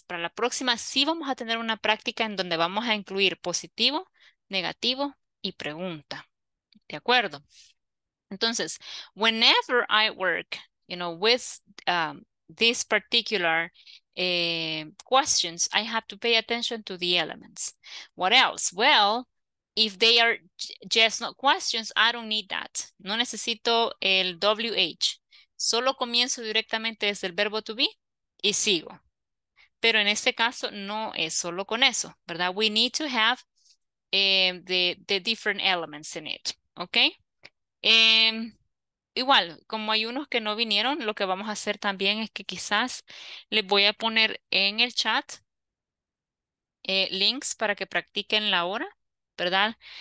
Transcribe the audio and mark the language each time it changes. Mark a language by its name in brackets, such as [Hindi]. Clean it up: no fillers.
[Spanish] Para la próxima, sí vamos a tener una práctica en donde vamos a incluir positivo, negativo y pregunta. ¿De acuerdo? [English] Entonces, whenever I work, you know, with this particular questions, I have to pay attention to the elements. What else? Well, if they are just not questions, I don't need that. [Spanish] No necesito el WH. Solo comienzo directamente desde el verbo to be. Y sigo. Pero en este caso no es solo con eso, ¿verdad? [English] We need to have the different elements in it, [Spanish] ¿ok? Igual, como hay unos que no vinieron, lo que vamos a hacer también es que quizás les voy a poner en el chat links para que practiquen la hora, ¿verdad?